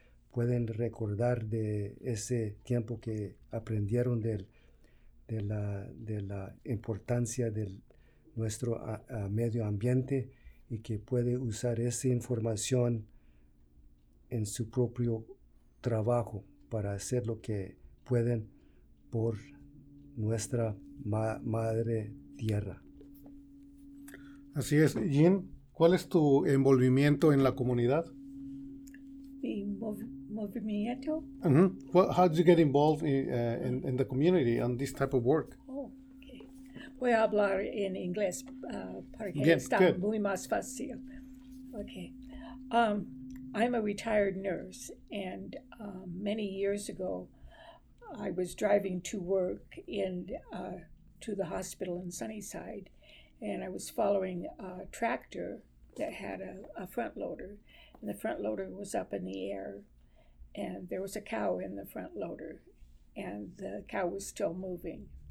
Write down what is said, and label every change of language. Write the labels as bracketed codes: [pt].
[es] pueden recordar de ese tiempo que aprendieron de la importancia de nuestro medio ambiente y que puede usar esa información en su propio trabajo para hacer lo que pueden por nuestra madre tierra. Así es. Jean, ¿cuál es tu envolvimiento en la comunidad? Mi movimiento. Uh-huh. [en] Well, how did you get involved in the community on this type of work? [es] Oh, okay. Voy a hablar en inglés porque está good. Muy más fácil. Okay. [en] I'm a retired nurse, and many years ago, I was driving to work in to the hospital in Sunnyside, and I was following a tractor that had a front loader, and the front loader was up in the air, and there was a cow in the front loader, and the cow was still moving.